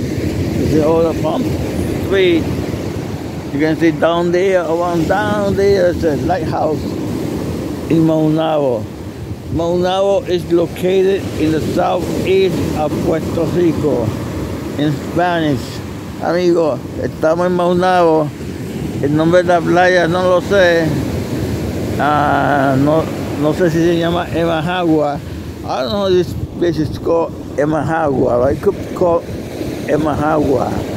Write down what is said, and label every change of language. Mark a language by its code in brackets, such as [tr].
[en] It's all up on three. You can see down there, it's a lighthouse in Maunabo. Maunabo is located in the southeast of Puerto Rico. In Spanish, [es] amigo, estamos en Maunabo. El nombre de la playa no lo sé. No sé si se llama Emajuaga. [en] I don't know if this place is called Emajuaga, but it could be called Emajuaga.